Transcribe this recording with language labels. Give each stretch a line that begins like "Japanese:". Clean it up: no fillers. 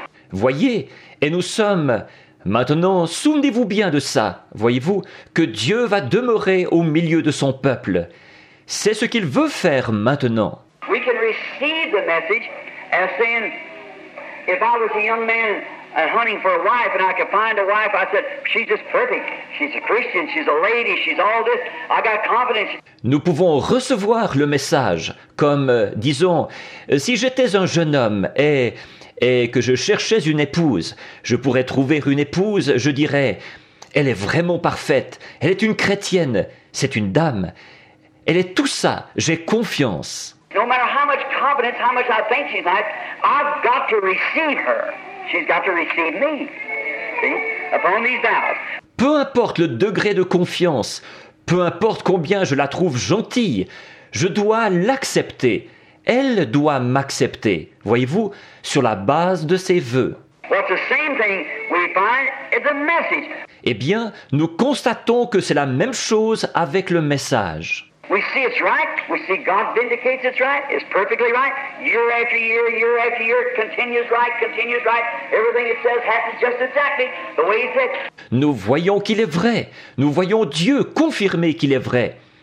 French: Voyez, et nous sommes... Maintenant, souvenez-vous bien de ça, voyez-vous, que Dieu va demeurer au milieu de son peuple. C'est ce qu'il veut faire maintenant.
English: We can receive the message as saying, if I was a young man hunting for a wife, and I could find a wife. I said, she's just perfect. She's a Christian. She's a lady. She's all this. I got confidence.
French: Nous pouvons recevoir le message comme, disons, si j'étais un jeune homme et que je cherchais une épouse, je pourrais trouver une épouse, je dirais, elle est vraiment parfaite. Elle est une chrétienne. C'est une dame. Elle est tout ça. J'ai confiance.
English: No matter how much confidence, how much I think she's nice, I've got to receive her. She's got to receive me. See? Upon these doubts.
French: Peu importe le degré de confiance, peu importe combien je la trouve gentille, je dois l'accepter. Elle doit m'accepter, voyez-vous, sur la base de ses vœux.
English: What's the same thing we find is the message.
French: Eh bien, nous constatons que c'est la même chose avec le message.
English: We see it's right. We see God vindicates it's right. It's perfectly right. Year after year, continues right. Everything it says happens just exactly the way it says.
French: Nous voyons qu'il est vrai. Nous voyons Dieu confirmer qu'il est vrai.